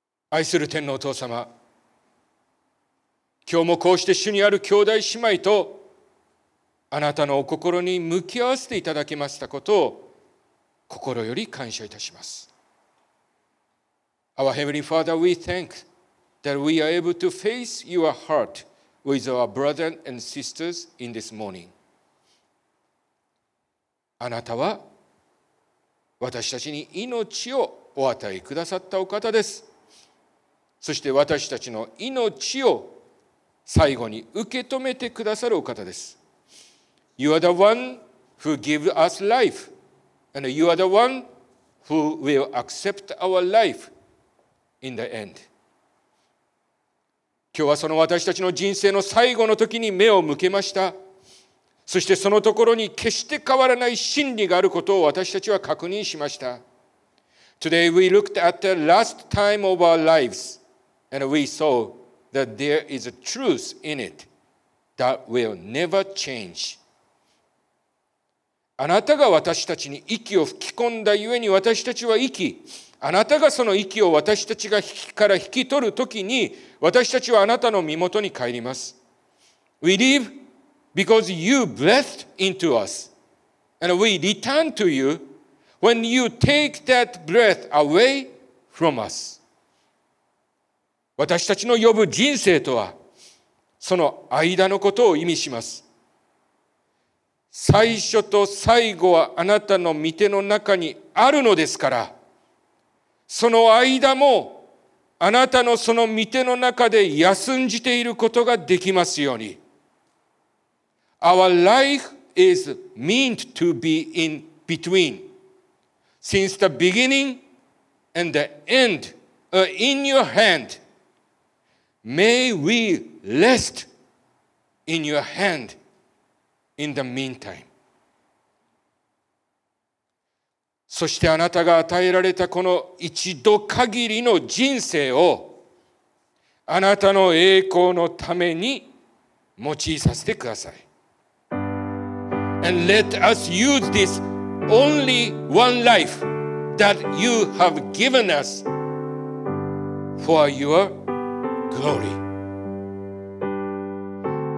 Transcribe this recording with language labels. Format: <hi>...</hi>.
<ja>愛する天のお父様、今日もこうして主にある兄弟姉妹とあなたのお心に向き合わせていただきましたことを心より感謝いたします。</ja> <en>Our Heavenly Father, we thank that we are able to face your heart with our brothers and sisters in this morning.</en> <ja>あなたは私たちに命をお与えくださったお方です。そして私たちの命を最後に受け止めてくださるお方です。</ja> <en>You are the one who gives us life, and you are the one who will accept our life in the end.</en> <ja>今日はその私たちの人生の最後の時に目を向けました。そしてそのところに決して変わらない真理があることを私たちは確認しました。</ja> <en>Today we looked at the last time of our lives, and we saw that there is a truth in it that will never change.</en> <ja>あなたが私たちに息を吹き込んだゆえに私たちは生き、あなたがその息を私たちが引きから引き取るときに私たちはあなたの身元に帰ります。</ja> <en>We live because you breathed into us and we return to you when you take that breath away from us.</en> <ja>私たちの呼ぶ人生とは、その間のことを意味します。最初と最後はあなたの御手の中にあるのですから、その間もあなたのその御手の中で休んじていることができますように。</ja> <en>Our life is meant to be in between. Since the beginning and the end are in your hand. May we rest in your hand in the meantime.</en> <ja>そしてあなたが与えられたこの一度限りの人生をあなたの栄光のために用いさせてください。</ja> <en>And let us use this only one life that you have given us for your glory.</en>